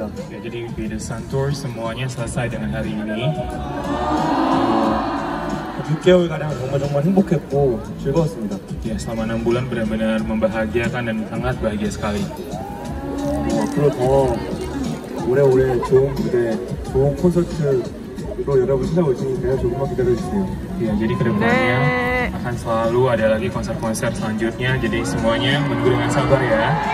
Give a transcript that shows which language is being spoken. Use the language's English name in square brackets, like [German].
[Indonesian] Jadi beda santur semuanya selesai dengan hari ini. [Korean] 6개월 가량 정말 행복했고 즐거웠습니다. [Indonesian] Ya, selama 6 bulan benar-benar membahagiakan dan sangat bahagia sekali. [Korean] 앞으로 더 오래오래 좋은 무대, 좋은 콘서트로 여러분 찾아올 테니까요. 조금만 기다려주세요. [Indonesian] Ya, jadi kedepannya akan selalu ada lagi konser-konser selanjutnya. Jadi semuanya menunggu dengan sabar ya.